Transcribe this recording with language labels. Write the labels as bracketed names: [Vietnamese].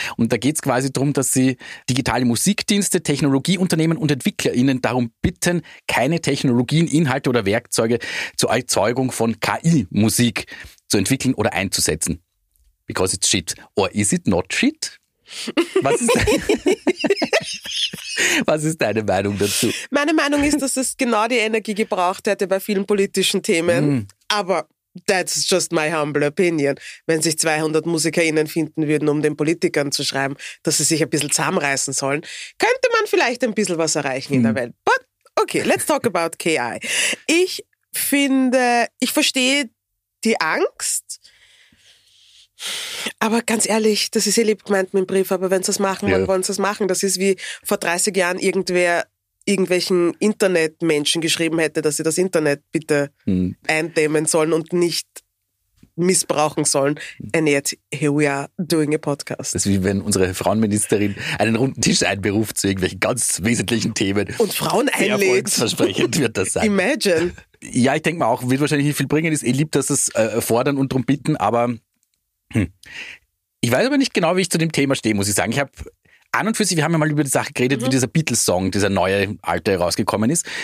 [German] Und da geht's quasi darum, dass sie digitale Musikdienste, Technologieunternehmen und EntwicklerInnen darum bitten, keine Technologien, Inhalte oder Werkzeuge zur Erzeugung von KI-Musik zu entwickeln oder einzusetzen. [English] Because it's shit. Or is it not shit? [German] Was ist, was ist deine Meinung dazu? Meine Meinung ist, dass es genau die Energie gebraucht hätte bei vielen politischen Themen. Aber [English] that's just my humble opinion. [German] Wenn sich 200 MusikerInnen finden würden, um den Politikern zu schreiben, dass sie sich ein bisschen zusammenreißen sollen, könnte man vielleicht ein bisschen was erreichen in der Welt. [English] But okay, let's talk about KI. [German] Ich finde, ich verstehe die Angst. Aber ganz ehrlich, das ist eh lieb gemeint mit dem Brief, aber wenn sie es machen, dann wollen sie es machen. Das ist wie vor 30 Jahren irgendwelchen Internetmenschen geschrieben hätte, dass sie das Internet bitte eindämmen sollen und nicht missbrauchen sollen. [English] And yet, here we are doing a podcast. [German] Das ist wie wenn unsere Frauenministerin einen runden Tisch einberuft zu irgendwelchen ganz wesentlichen Themen. Und Frauen einlädt. Erfolgsversprechend wird das sein. [English] Imagine. [German] Ja, ich denke mal auch, wird wahrscheinlich nicht viel bringen. Ist eh lieb, dass es fordern und drum bitten, aber ich weiß aber nicht genau, wie ich zu dem Thema stehe, muss ich sagen. Ich habe an und für sich, wir haben ja mal über die Sache geredet, wie dieser Beatles-Song, dieser neue, alte rausgekommen ist.